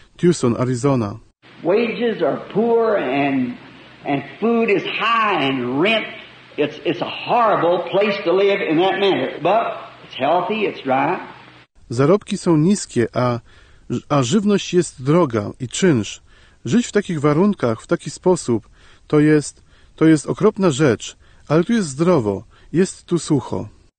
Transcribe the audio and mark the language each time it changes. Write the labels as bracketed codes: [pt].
[en] Tucson, Arizona. Wages are poor and food is high and rent. It's a horrible place to live in that manner. But it's healthy, it's dry. [pl] Zarobki są niskie, a żywność jest droga i czynsz. Żyć w takich warunkach, w taki sposób, to jest okropna rzecz, ale tu jest zdrowo, jest tu sucho.